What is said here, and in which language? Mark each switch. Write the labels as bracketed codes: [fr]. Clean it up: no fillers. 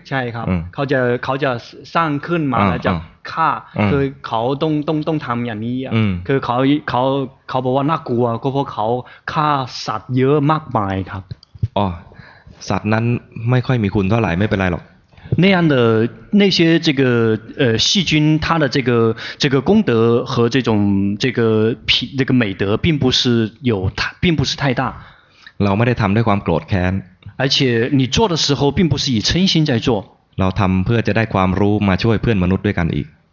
[th] ใช่ครับเขาจะสร้างขึ้นมาแล้วจะฆ่าคือเขาต้องทำอย่างนี้คือ เขาบอกว่าน่ากลัวก็เพราะเขาฆ่าสัตว์เยอะมากมายครับ อ๋อสัตว์นั้นไม่ค่อยมีคุณเท่าไหร่ไม่เป็นไรหรอก [zh] 那样的那些这个细菌它的这个功德和这种这个美德并不是太大 [th] เราไม่ได้ทำด้วยความโกรธแค้น [zh] 而且你做的时候并不是以嗔心在做 [th] เราทำเพื่อจะได้ความรู้มาช่วยเพื่อนมนุษย์ด้วยกันอีก